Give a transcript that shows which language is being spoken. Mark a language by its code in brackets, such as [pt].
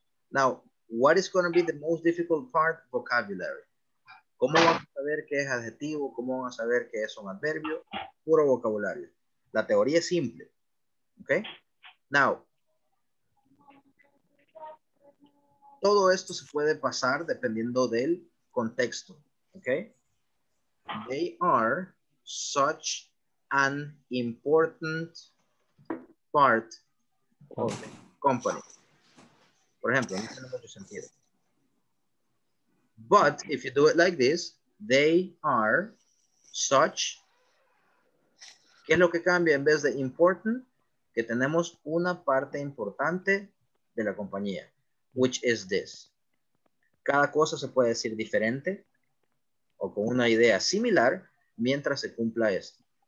[en] Now, what is going to be the most difficult part? [es] Vocabulary. ¿Cómo van a saber qué es adjetivo? ¿Cómo van a saber qué es un adverbio? Puro vocabulario. La teoría es simple. Okay? Now, todo esto se puede pasar dependiendo del contexto, okay? [en] They are such an important part of the company. [es] Por ejemplo, no tiene mucho sentido. [en] But if you do it like this, they are such. [es] ¿Qué es lo que cambia en vez de important? Que tenemos una parte importante de la compañía. [en] Which is this. [es] Cada cosa se puede decir diferente o con una idea similar mientras se cumpla esto.